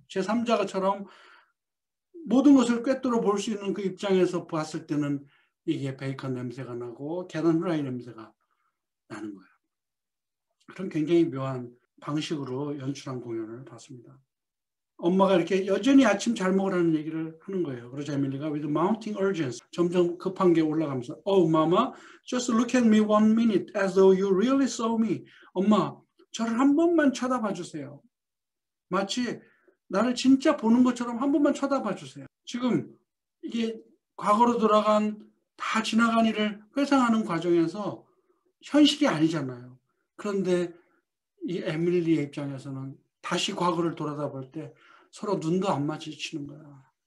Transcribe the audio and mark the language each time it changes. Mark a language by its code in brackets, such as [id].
[ko] 제3자가처럼 모든 것을 꿰뚫어 볼 수 있는 그 입장에서 봤을 때는 이게 베이컨 냄새가 나고 계란 후라이 냄새가 나는 거예요. 그런 굉장히 묘한 방식으로 연출한 공연을 봤습니다. 엄마가 이렇게 여전히 아침 잘 먹으라는 얘기를 하는 거예요. 그러자 에밀리가 [en] with mounting urgency, [ko] 점점 급한 게 올라가면서 [en] Oh, Mama, just look at me one minute as though you really saw me. [ko] 엄마, 저를 한 번만 쳐다봐 주세요. 마치 나를 진짜 보는 것처럼 한 번만 쳐다봐 주세요. 지금 이게 과거로 돌아간 다 지나간 일을 회상하는 과정에서 현실이 아니잖아요. 그런데 이 에밀리의 입장에서는 다시 과거를 돌아다 볼 때 서로 눈도 안 마주치는 거야.